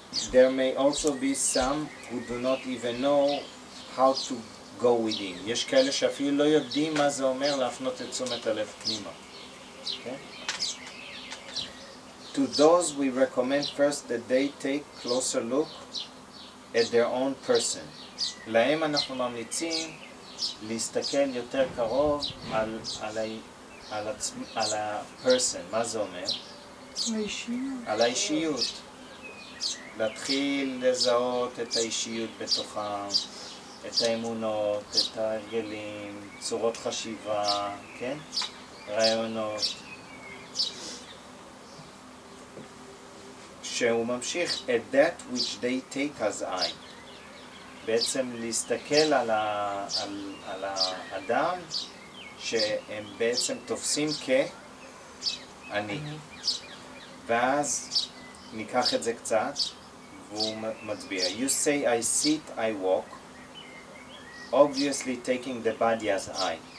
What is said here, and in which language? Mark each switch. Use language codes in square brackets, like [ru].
[en] There may also be some who do not even know how to go within. [he] יש כאלה שאפילו לא יודעים מה זה אומר להפנות את תשומת הלב פנימה. [en] To those we recommend first that they take closer look at their own person. [he] להם אנחנו ממליצים להסתכל יותר קרוב על על הפרסן. מה זה אומר? האישיות. על האישיות. להתחיל לזהות את האישיות בתוכם, את האמונות, את הרגלים, צורות חשיבה, כן? רעיונות. שהוא ממשיך, [en] at that which they take as I. [he] בעצם להסתכל על על האדם שהם בעצם תופסים כאני. ואז ניקח את זה קצת, והוא מצביע. [en] You say I sit, I walk, obviously taking the body as I.